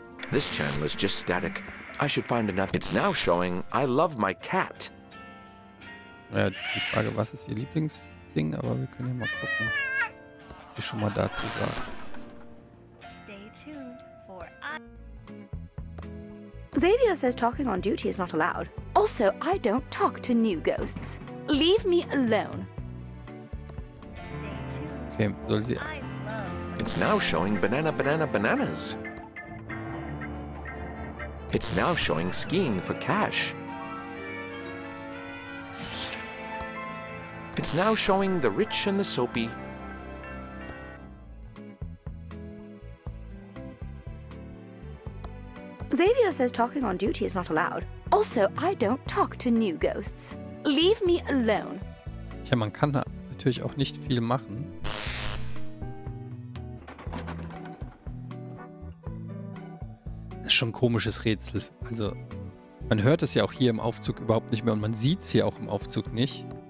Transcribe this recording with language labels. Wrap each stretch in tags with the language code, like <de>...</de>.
<en>This channel is just static. I should find enough. It's now showing I love my cat.</en> <de>Ja, die Frage, was ist ihr Lieblingsding? Aber wir können ja mal gucken, was sie schon mal dazu sagt.</de> <en>Stay tuned for Xavier says talking on duty is not allowed. Also, I don't talk to new ghosts. Leave me alone.</en> <de>Okay, soll sie.</de> <en>It's now showing banana, banana, bananas. It's now showing skiing for cash. It's now showing the rich and the soapy. Xavier says talking on duty is not allowed. Also, I don't talk to new ghosts. Leave me alone.</en> <de>Tja, man kann da natürlich auch nicht viel machen. Schon ein komisches Rätsel. Also, Man hört es ja auch hier im Aufzug überhaupt nicht mehr und man sieht es hier auch im Aufzug nicht.</de>